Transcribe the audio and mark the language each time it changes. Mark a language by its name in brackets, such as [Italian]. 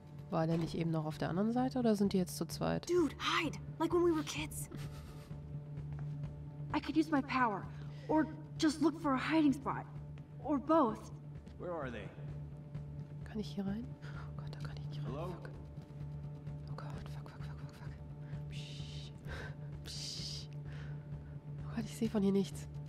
[German] War der nicht eben noch auf der anderen Seite oder sind die jetzt zu zweit? [English] Dude, hide! Like when we were kids. I could use my power. Or just look for a hiding spot. Or both. Where are they? [German] Kann ich hier rein? Oh Gott, da kann ich nicht rein. Fuck. Oh Gott, fuck, fuck, fuck, fuck, fuck. Psch. Oh Gott, ich sehe von hier nichts.